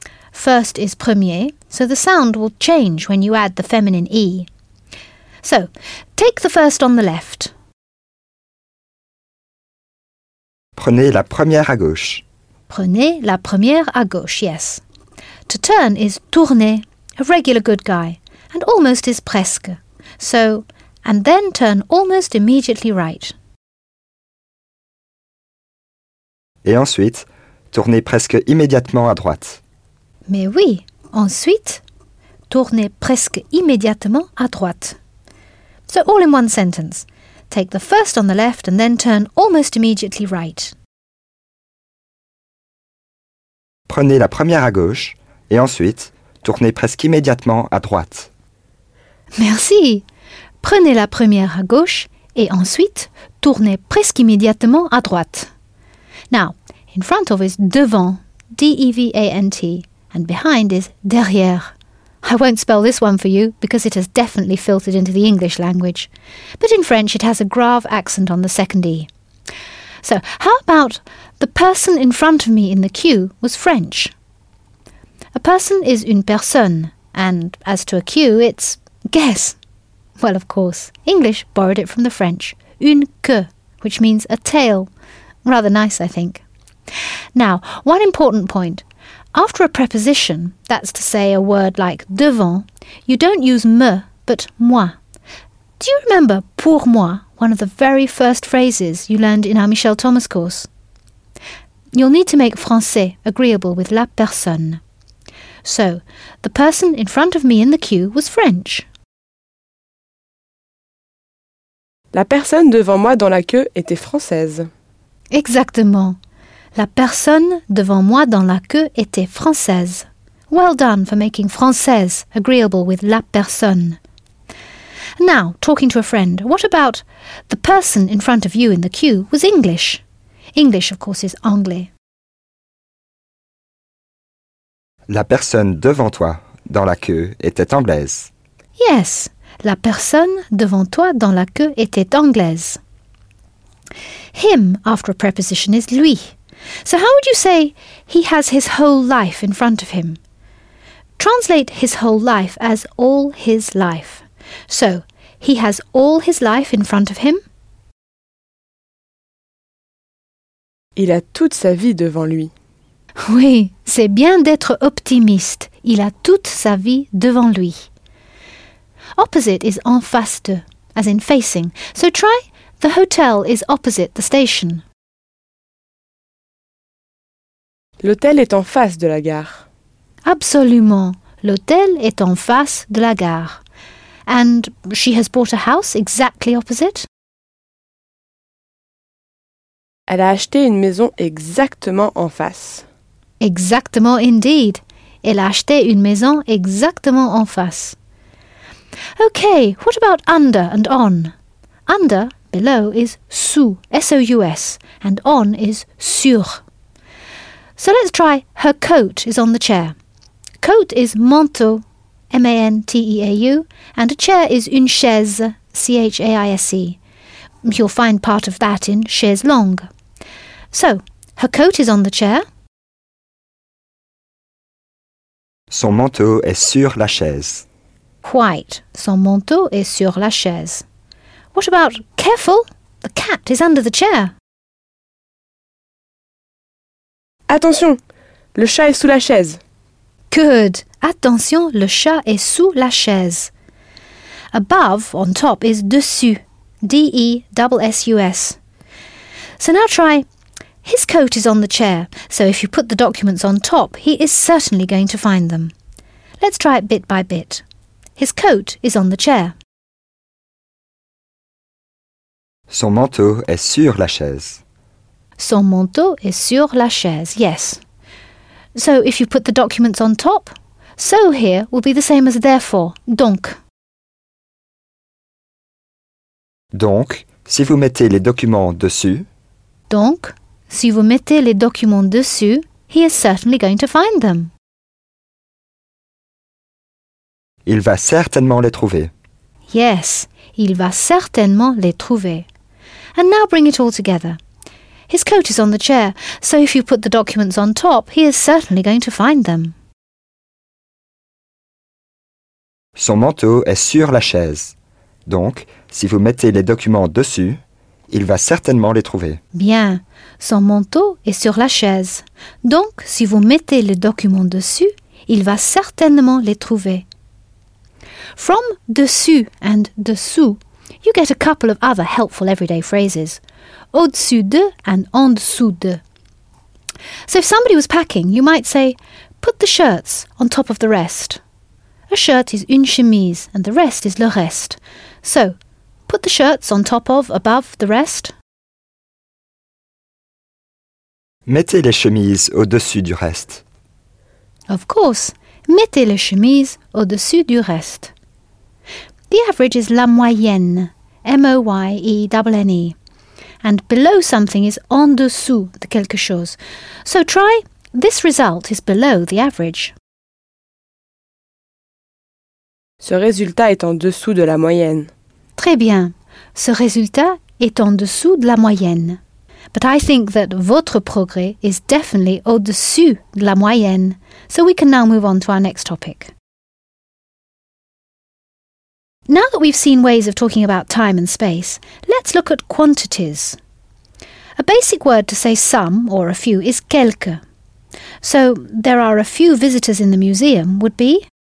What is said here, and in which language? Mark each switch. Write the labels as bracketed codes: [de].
[en] First is premier, so the sound will change when you add the feminine E. So, take the first on the left. [fr] Prenez la première à gauche. Prenez la première à gauche, yes. [en] To turn is tourner, a regular good guy. And almost is presque. So, and then turn almost immediately right. [fr] Et ensuite, tournez presque immédiatement à droite. Mais oui, ensuite, tournez presque immédiatement à droite. [en] So, all in one sentence. Take the first on the left and then turn almost immediately right. [fr] Prenez la première à gauche et ensuite, tournez presque immédiatement à droite. Merci. Prenez la première à gauche et ensuite tournez presque immédiatement à droite. [en] Now, in front of is devant, D-E-V-A-N-T, and behind is derrière. I won't spell this one for you because it has definitely filtered into the English language. But in French it has a grave accent on the second E. So, how about the person in front of me in the queue was French? A person is une personne, and as to a queue, it's guess. Well, of course, English borrowed it from the French, une queue, which means a tail. Rather nice, I think. Now, one important point. After a preposition, that's to say a word like devant, you don't use me, but moi. Do you remember [fr] pour moi, [en] one of the very first phrases you learned in our Michel Thomas course? You'll need to make français agreeable with la personne. So, the person in front of me in the queue was French. [fr] La personne devant moi dans la queue était française. Exactement. La personne devant moi dans la queue était française. [en] Well done for making française agreeable with la personne. Now, talking to a friend, what about the person in front of you in the queue was English? English, of course, is anglais. [fr] La personne devant toi dans la queue était anglaise. [en] Yes. [fr] La personne devant toi dans la queue était anglaise. [en] Him after a preposition is lui. So how would you say he has his whole life in front of him? Translate his whole life as all his life. So, he has all his life in front of him. [fr] Il a toute sa vie devant lui. Oui, c'est bien d'être optimiste. Il a toute sa vie devant lui. [en] Opposite is en face de, as in facing. So try, the hotel is opposite the station. [fr] L'hôtel est en face de la gare. Absolument, l'hôtel est en face de la gare. [en] And she has bought a house exactly opposite. [fr] Elle a acheté une maison exactement en face. Exactement indeed. Elle a acheté une maison exactement en face. [en] Okay, what about under and on? Under, below, is sous, S-O-U-S, and on is sur. So let's try her coat is on the chair. Coat is manteau, M-A-N-T-E-A-U, and a chair is une chaise, C-H-A-I-S-E. You'll find part of that in chaise longue. So, her coat is on the chair. [fr] Son manteau est sur la chaise. [en] Quite. [fr] Son manteau est sur la chaise. [en] What about careful? The cat is under the chair. [fr] Attention! Le chat est sous la chaise. [en] Good. [fr] Attention, le chat est sous la chaise. [en] Above, on top, is dessus. D-E-S-S-U-S. So now try... His coat is on the chair, so if you put the documents on top, he is certainly going to find them. Let's try it bit by bit. His coat is on the chair. [fr] Son manteau est sur la chaise. Son manteau est sur la chaise, yes. [en] So if you put the documents on top, so here will be the same as therefore, donc. [fr] Donc, si vous mettez les documents dessus... Donc... Si vous mettez les documents dessus, [en] he is certainly going to find them. [fr] Il va certainement les trouver. [en] Yes, [fr] il va certainement les trouver. [en] And now bring it all together. His coat is on the chair, so if you put the documents on top, he is certainly going to find them. [fr] Son manteau est sur la chaise. Donc, si vous mettez les documents dessus, il va certainement les trouver. Bien. Son manteau est sur la chaise. Donc, si vous mettez les documents dessus, il va certainement les trouver. [en] From dessus and dessous, you get a couple of other helpful everyday phrases. [fr] Au-dessus de and en dessous de. [en] So if somebody was packing, you might say, put the shirts on top of the rest. A shirt is une chemise and the rest is le reste. So, put the shirts on top of, above the rest. [fr] Mettez les chemises au-dessus du reste. [en] Of course, [fr] mettez les chemises au-dessus du reste. [en] The average is la moyenne, M-O-Y-E-N-N-E. And below something is [fr] en dessous de quelque chose. [en] So try, this result is below the average. [fr] Ce résultat est en dessous de la moyenne. Très bien, ce résultat est en dessous de la moyenne. [en] But I think that [fr] votre progrès [en] is definitely [fr] au-dessus de la moyenne. [en] So we can now move on to our next topic. Now that we've seen ways of talking about time and space, let's look at quantities. A basic word to say some or a few is quelques. So there are a few visitors in the museum would be...